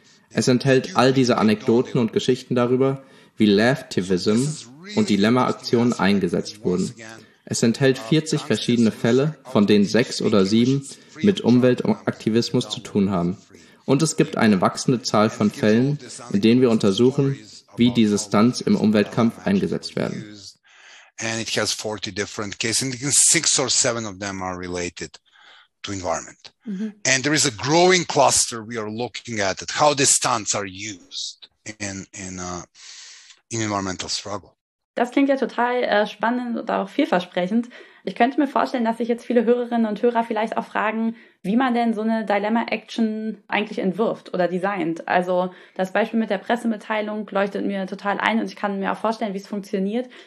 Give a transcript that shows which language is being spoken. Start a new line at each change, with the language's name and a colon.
German: Es enthält all diese Anekdoten und Geschichten darüber, wie Laughtivism und Dilemma-Aktionen eingesetzt wurden. Es enthält 40 verschiedene Fälle, von denen 6 oder 7 mit Umweltaktivismus zu tun haben. Und es gibt eine wachsende Zahl von Fällen, in denen wir untersuchen, wie diese Stunts im Umweltkampf eingesetzt werden.
English: And it has 40 different cases, and 6 or 7 of them are related to environment. And there is a growing cluster we are looking at how these stunts are used in environmental struggle.
German: Das klingt ja total spannend und auch vielversprechend. Ich könnte mir vorstellen, dass sich jetzt viele Hörerinnen und Hörer vielleicht auch fragen, wie man denn so eine Dilemma-Action eigentlich entwirft oder designt. Also das Beispiel mit der Pressemitteilung leuchtet mir total ein und ich kann mir auch vorstellen, wie es funktioniert.